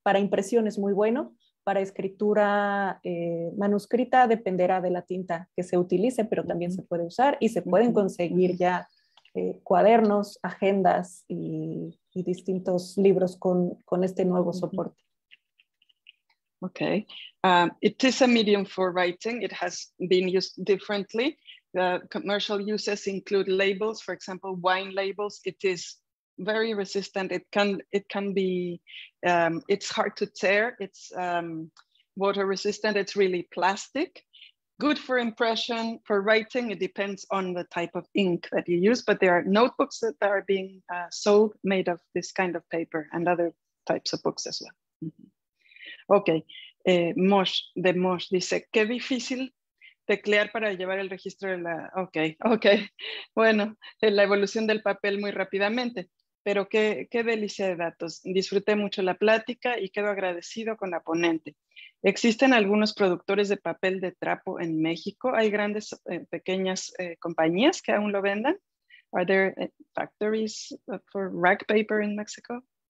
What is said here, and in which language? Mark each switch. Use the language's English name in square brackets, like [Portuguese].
[Spanish] Para impresión es muy bueno, para escritura manuscrita dependerá de la tinta que se utilice, pero también se puede usar y se pueden conseguir ya cuadernos, agendas y distintos libros con este nuevo soporte. [English] Okay. It is a medium for writing. It has been used differently. The commercial uses include labels, for example, wine labels. It is very resistant. It can be it's hard to tear. It's water resistant. It's really plastic. Good for impression, for writing, it depends on the type of ink that you use, but there are notebooks that are being sold made of this kind of paper and other types of books as well. [Spanish] Okay, Mosh, de Mosh dice, qué difícil teclear para llevar el registro de la... Okay. Bueno, la evolución del papel muy rápidamente, pero qué delicia de datos. Disfruté mucho la plática y quedo agradecido con la ponente. ¿Existen algunos productores de papel de trapo en México? ¿Hay grandes, pequeñas compañías que aún lo vendan? [English] Are there factories for rag paper in Mexico?